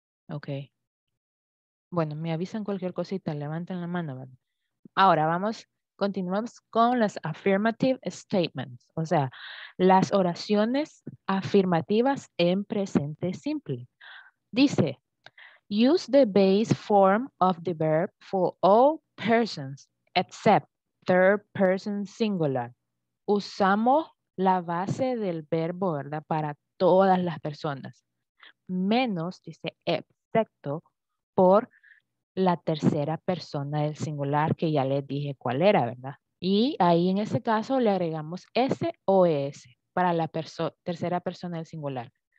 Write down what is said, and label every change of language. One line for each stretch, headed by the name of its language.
Spanish: Okay. Bueno, me avisan cualquier cosita, levanten la mano. ¿Vale? Ahora vamos, continuamos con las
English: affirmative statements,
Spanish: o sea, las oraciones afirmativas en presente simple. Dice,
English: use the base form of the verb for all persons except third person singular.
Spanish: Usamos la base del verbo, ¿verdad? Para todas las personas, menos, dice, excepto por la tercera persona del singular que ya les dije cuál era, ¿verdad? Y ahí en ese caso le agregamos S o ES para la tercera persona del singular.